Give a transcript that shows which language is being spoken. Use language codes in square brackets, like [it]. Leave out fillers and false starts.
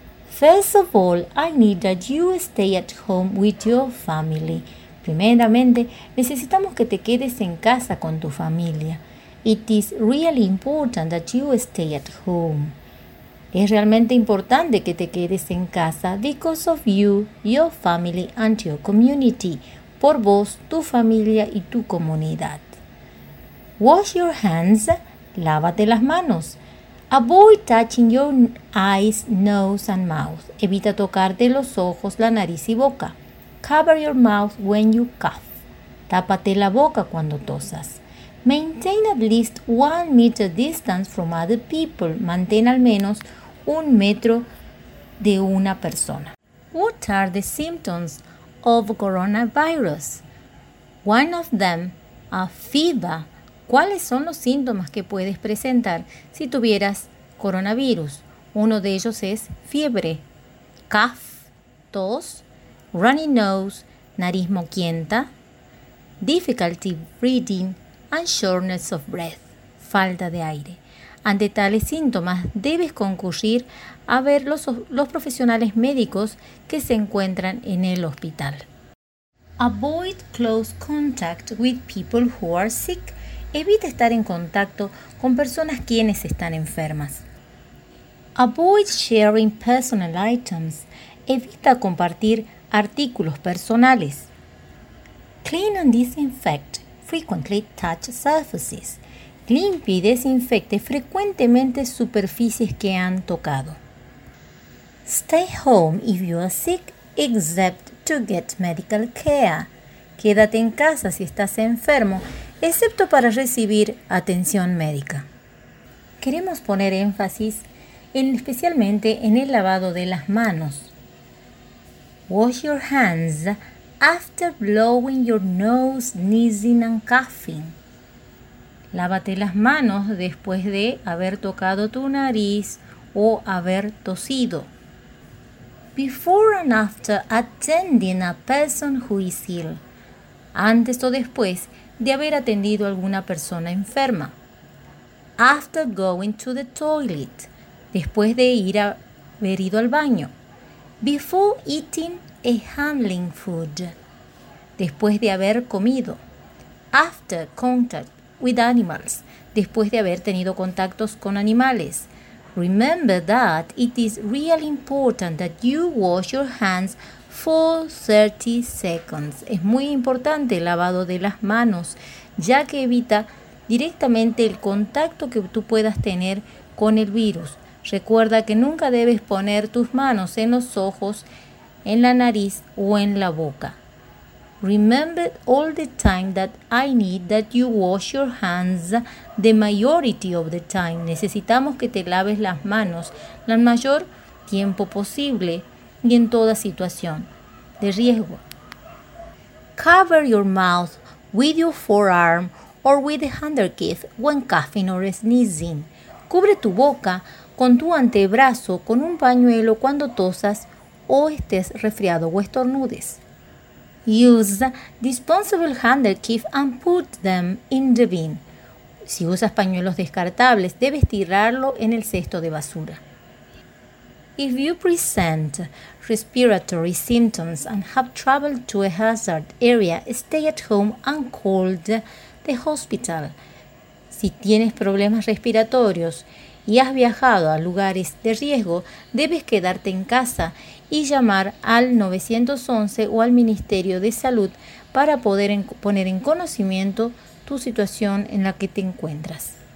[en] First of all, I need that you stay at home with your family. [es] Primeramente, necesitamos que te quedes en casa con tu familia. [en] It is really important that you stay at home. [es] Es realmente importante que te quedes en casa [en] because of you, your family and your community. [es] Por vos, tu familia y tu comunidad. [en] Wash your hands. [es] Lávate las manos. [en] Avoid touching your eyes, nose and mouth. [es] Evita tocarte los ojos, la nariz y boca. [en] Cover your mouth when you cough. [es] Tápate la boca cuando tosas. [en] Maintain at least 1 meter distance from other people. [es] Mantén al menos 1 metro de una persona. [en] What are the symptoms of coronavirus? One of them, a fever. [es] ¿Cuáles son los síntomas que puedes presentar si tuvieras coronavirus? Uno de ellos es fiebre, [en] cough, [es] tos, [en] runny nose, [es] nariz moquienta, [en] difficulty breathing and shortness of breath, [es] falta de aire. Ante tales síntomas debes concurrir a ver los profesionales médicos que se encuentran en el hospital. [en] Avoid close contact with people who are sick. [es] Evita estar en contacto con personas quienes están enfermas. [en] Avoid sharing personal items. [es] Evita compartir artículos personales. [en] Clean and disinfect frequently touched surfaces. [es] Limpie y desinfecte frecuentemente superficies que han tocado. [en] Stay home if you are sick, except to get medical care. [es] Quédate en casa si estás enfermo, excepto para recibir atención médica. Queremos poner énfasis especialmente en el lavado de las manos. [en] Wash your hands after blowing your nose, sneezing and coughing. [es] Lávate las manos después de haber tocado tu nariz o haber tosido. [en] Before and after attending a person who is ill. [es] Antes o después de haber atendido a alguna persona enferma. [en] After going to the toilet. [es] Después de haber ido al baño. [en] Before eating a handling food. [es] Después de haber comido. [en] After contact with animals. [es] Después de haber tenido contactos con animales. [en] Remember that it is really important that you wash your hands for 30 seconds. [es] Es muy importante el lavado de las manos, ya que evita directamente el contacto que tú puedas tener con el virus. Recuerda que nunca debes poner tus manos en los ojos, en la nariz o en la boca. [en] Remember all the time that I need that you wash your hands the majority of the time. [es] Necesitamos que te laves las manos la mayor tiempo posible y en toda situación de riesgo. [en] Cover your mouth with your forearm or with a handkerchief when coughing or sneezing. [es] Cubre tu boca con tu antebrazo con un pañuelo cuando tosas o estés resfriado o estornudes. [en] Use disposable handkerchief and put them in the bin. [es] Si usas pañuelos descartables, debes tirarlo en el cesto de basura. [en] If you present respiratory symptoms and have traveled to a hazard area, stay at home and call the hospital. [es] Si tienes problemas respiratorios y has viajado a lugares de riesgo, debes quedarte en casa y llamar al 911 o al Ministerio de Salud para poder poner en conocimiento tu situación en la que te encuentras.